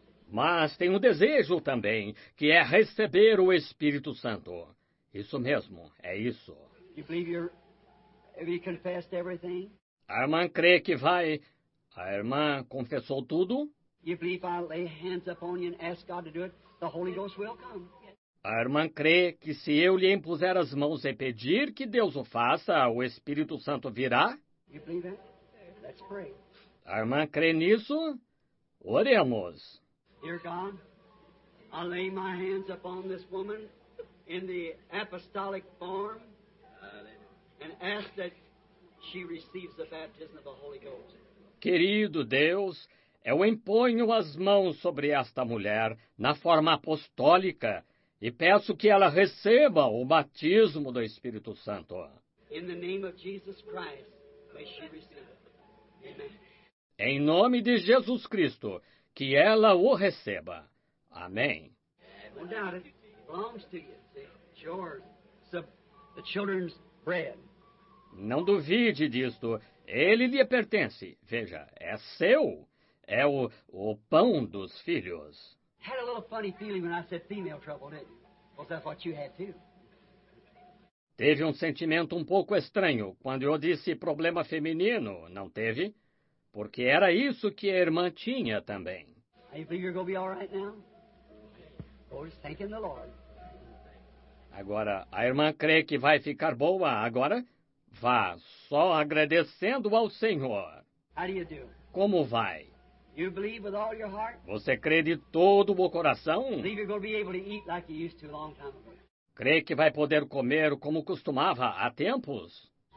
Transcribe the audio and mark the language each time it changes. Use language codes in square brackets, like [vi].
[pt] Mas tem um desejo também, que é receber o Espírito Santo. Isso mesmo, é isso. [en] You believe have you confessed everything? [pt] A irmã crê que vai. A irmã confessou tudo? [en] You believe I lay hands upon you and ask God to do it, the Holy Ghost will come. [pt] A irmã crê que se eu lhe impuser as mãos e pedir que Deus o faça, o Espírito Santo virá? [en] You believe that? Let's pray. [pt] A irmã crê nisso? Oremos. [en] Dear God, I lay my hands upon this woman in the apostolic form. ask that she receives the baptism of the Holy Ghost. [pt] Querido Deus, eu imponho as mãos sobre esta mulher na forma apostólica e peço que ela receba o batismo do Espírito Santo. [en] In the name of Jesus Christ, may she receive it. Amen. [pt] Em nome de Jesus Cristo, que ela o receba. Amém. [en] Don't doubt it. Belongs to you. It's yours. It's the children's bread. [pt] Não duvide disto. Ele lhe pertence. Veja, é seu. É o pão dos filhos. [en] Had a little funny feeling when I said female trouble, didn't you? Well, that's what you had too. [pt] Teve um sentimento um pouco estranho quando eu disse problema feminino, não teve? Porque era isso que a irmã tinha também. [en] You think you're gonna be all right now? We're just thanking the Lord. [pt] Agora, a irmã crê que vai ficar boa agora? Vá só agradecendo ao Senhor. [en] How do you do? [pt] Como vai? [en] You believe with all your heart? [pt] Você crê de todo o coração? [en] Believe you're gonna be able to eat like you used to a long time ago. [pt] Crê que vai poder comer como costumava há tempos?